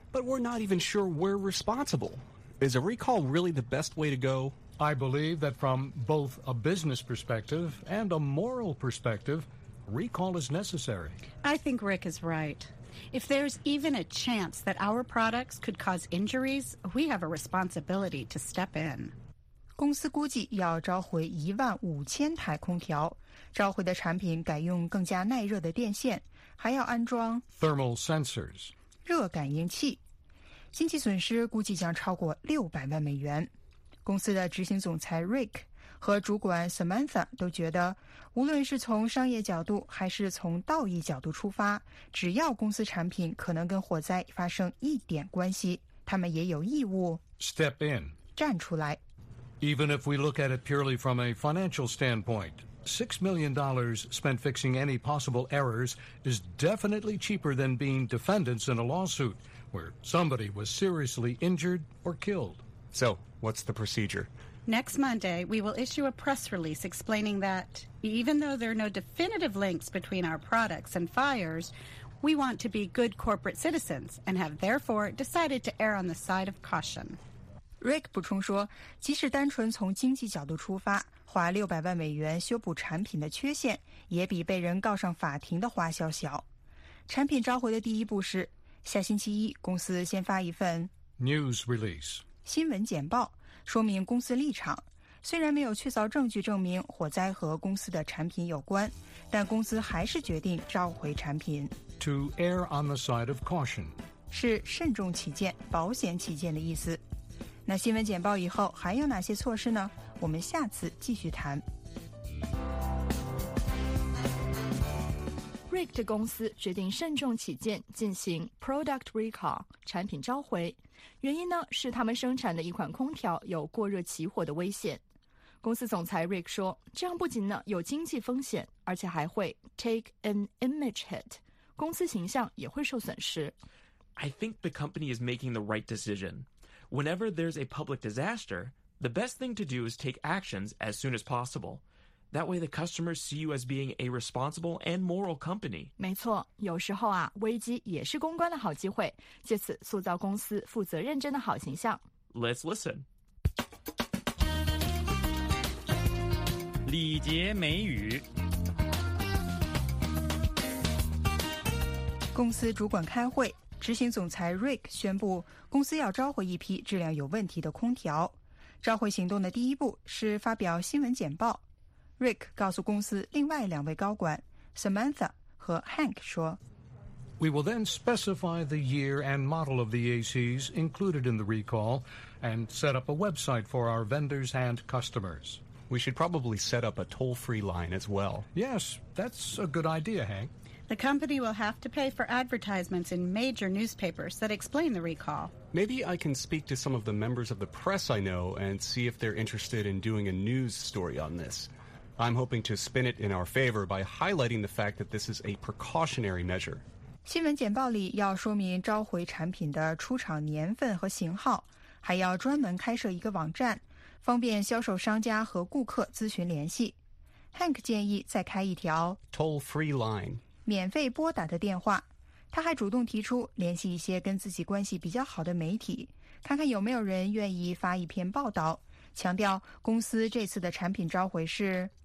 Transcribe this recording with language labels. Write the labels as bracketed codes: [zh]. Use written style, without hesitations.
[en] But we're not even sure we're responsible. Is a recall really the best way to go? I believe that from both a business perspective and a moral perspective, recall is necessary. I think Rick is right. If there's even a chance that our products could cause injuries, we have a responsibility to step in. [zh] 公司估计要召回15,000台空调，召回的产品改用更加耐热的电线，还要安装 [en] thermal sensors [zh] 热感应器。经济损失估计将超过$6,000,000。公司的执行总裁 Rick 和主管 Samantha 都觉得，无论是从商业角度还是从道义角度出发，只要公司产品可能跟火灾发生一点关系，他们也有义务 [en] step in [zh] 站出来。 [en] Even if we look at it purely from a financial standpoint, $6 million spent fixing any possible errors is definitely cheaper than being defendants in a lawsuit where somebody was seriously injured or killed. So, what's the procedure? Next Monday, we will issue a press release explaining that even though there are no definitive links between our products and fires, we want to be good corporate citizens and have therefore decided to err on the side of caution. [zh] Rick 补充说，即使单纯从经济角度出发，花$6,000,000修补产品的缺陷，也比被人告上法庭的花销小。产品召回的第一步是，下星期一公司先发一份 [en] news release [zh] 新闻简报，说明公司立场。虽然没有确凿证据证明火灾和公司的产品有关，但公司还是决定召回产品。 [en] To err on the side of caution [zh] 是慎重起见、保险起见的意思。那新闻简报以后还有哪些措施呢？我们下次继续谈。 Rick 的公司决定慎重起见，进行 [en] product recall [zh] 产品召回，原因呢是他们生产的一款空调有过热起火的危险。公司总裁 Rick 说，这样不仅呢有经济风险，而且还会 [en] take an image hit， [zh] 公司形象也会受损失。 [en] I think the company is making the right decision. Whenever there's a public disaster, the best thing to do is take actions as soon as possible. That way the customers see you as being a responsible and moral company. [zh] 没错，有时候啊，危机也是公关的好机会，借此塑造公司负责认真的好形象。 [en] Let's listen. [zh] 礼节美语。公司主管开会。执行总裁 Rick 宣布公司要召回一批质量有问题的空调。召回行动的第一步是发表新闻简报。Rick 告诉公司另外两位高管 Samantha 和 Hank 说 [en] We will then specify the year and model of the ACs included in the recall and set up a website for our vendors and customers. We should probably set up a toll-free line as well. Yes, that's a good idea, Hank. The company will have to pay for advertisements in major newspapers that explain the recall. Maybe I can speak to some of the members of the press I know and see if they're interested in doing a news story on this. I'm hoping to spin it in our favor by highlighting the fact that this is a precautionary measure. [zh] 新闻简报里要说明召回产品的出厂年份和型号，还要专门开设一个网站，方便销售商家和顾客咨询联系。 Hank 建议再开一条 [en] toll-free line. [zh] 免费拨打的电话，他还主动提出联系一些跟自己关系比较好的媒体，看看有没有人愿意发一篇报道，强调公司这次的产品召回是